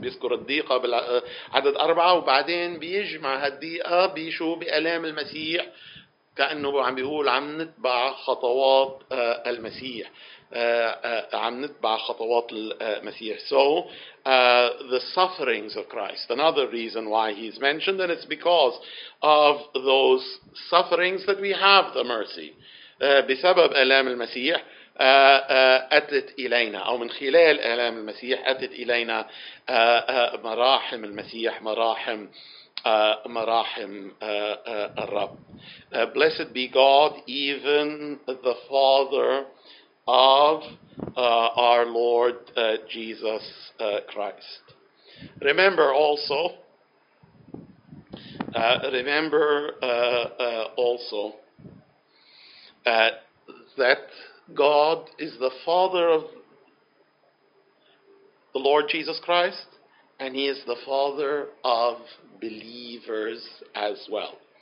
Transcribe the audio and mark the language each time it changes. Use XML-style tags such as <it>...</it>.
<ar>بيذكر الضيقة بالعدد أربعة وبعدين بيجمع هالضيقة بيشو بألام المسيح كأنه عم بيقول عم نتبع خطوات المسيح عم نتبع خطوات المسيح.</ar> <en>So the sufferings of Christ. Another reason why he's mentioned, and it's because of those sufferings that we have the mercy.</en> <ar>بسبب ألام المسيح أتت إلينا أو من خلال آلام المسيح أتت إلينا مراحم المسيح مراحم الرب.</ar> <en>Blessed be God, even the Father of our Lord Jesus Christ. Remember also that God is the Father of the Lord Jesus Christ, and he is the Father of believers as well.</en>